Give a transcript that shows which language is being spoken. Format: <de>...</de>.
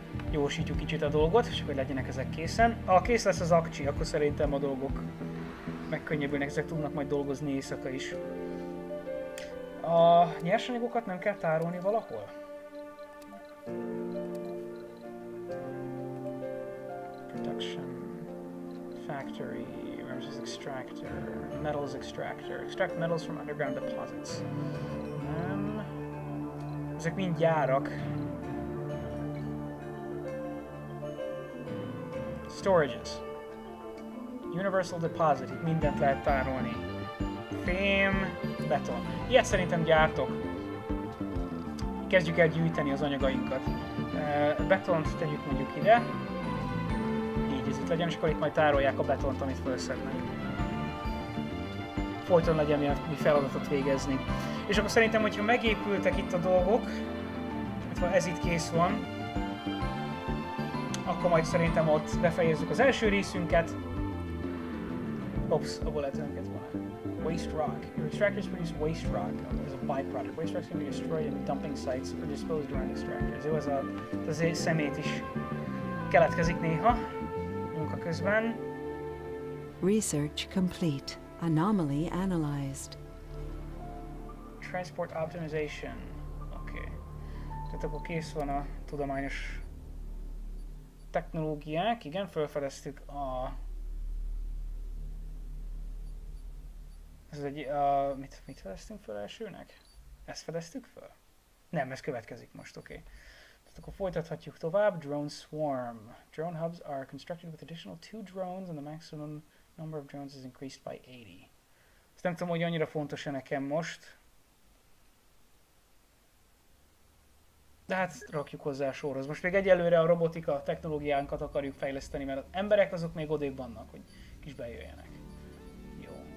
<hu>Gyorsítjuk kicsit a dolgot, és hogy legyenek ezek készen. Ha kész lesz az akcsi, akkor szerintem a dolgok megkönnyebbülnek, ezek tudnak majd dolgozni éjszaka is. A nyersanyagokat nem kell tárolni valahol?</hu> <en>Production factory, versus extractor, metals extractor, extract metals from underground deposits.</en> <hu>Nem. Ezek mind gyárak.</hu> <en>Storages. Universal deposit.</en> <hu>Itt mindent lehet tárolni. Fém, beton. Ilyet szerintem gyártok. Kezdjük el gyűjteni az anyagainkat. Betont tegyük mondjuk ide. Így ez itt legyen, és akkor itt majd tárolják a betont, amit felszednek. Folyton legyen mi feladatot végezni. És akkor szerintem, hogyha megépültek itt a dolgok, ha ez itt kész van, akkor majd szerintem ott befejezzük az első részünket. Ops, a bulletinket van.</hu> <en>Waste rock. Your extractors produce waste rock as a byproduct. Waste rock can be destroyed in dumping sites or disposed around extractors.</en> <hu>Jó, ez a szemét is keletkezik néha munka közben.</hu> <en>Research complete. Anomaly analyzed. Transport optimization. Oké. Okay.</en> <hu>Tehát akkor kész van a tudományos technológiák, igen, felfedeztük a... Ez egy... mit fedeztünk fel elsőnek? Ezt fedeztük fel? Nem, ez következik most, oké. Okay. Tehát akkor folytathatjuk tovább.</hu> <en>Drone swarm. Drone hubs are constructed with additional 2 drones and the maximum number of drones is increased by 80.</en> <hu>Ezt nem tudom, hogy annyira fontos-e nekem most. De hát rakjuk hozzá a sorhoz. Most még egyelőre a robotika technológiánkat akarjuk fejleszteni, mert az emberek azok még odébb vannak, hogy kis bejöjjenek. Jó.</hu>